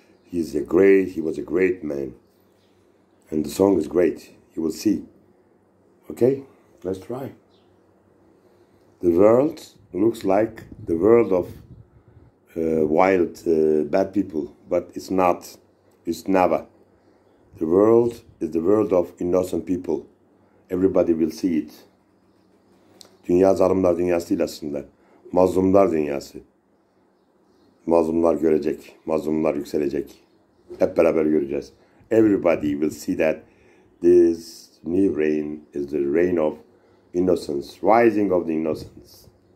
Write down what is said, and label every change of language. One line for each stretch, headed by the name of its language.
English: He was a great man. And the song is great. You will see. Okay? Let's try. The world looks like the world of wild, bad people, but it's not, it's never. The world is the world of innocent people. Everybody will see it.
Turkish: Dünya zalimler dünyası değil aslında. Mazlumlar dünyası. Mazlumlar görecek, mazlumlar yükselecek. Hep beraber göreceğiz.
English: Everybody will see that this new reign is the reign of innocence, rising of the innocence.